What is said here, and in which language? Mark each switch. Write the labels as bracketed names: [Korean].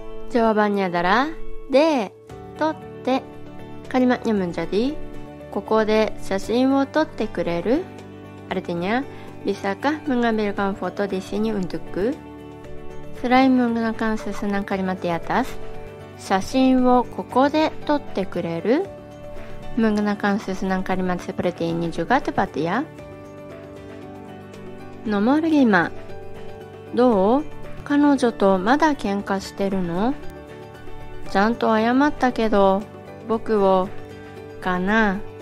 [Indonesian] Jawabannya adalah [Japanese] で、とって。 [Indonesian] Kalimatnya menjadi [Japanese] ここで写真を撮ってくれる。 [Indonesian] Artinya bisakah mengambilkan foto di sini untukku? Selain menggunakan susunan kalimat di atas, [Japanese] 写真をここで撮ってくれる。 [Indonesian] Menggunakan susunan kalimat seperti ini juga tepat ya. Nomor 5. どう? [Japanese] 彼女とまだ喧嘩してるの?ちゃんと謝ったけど、僕を、かな。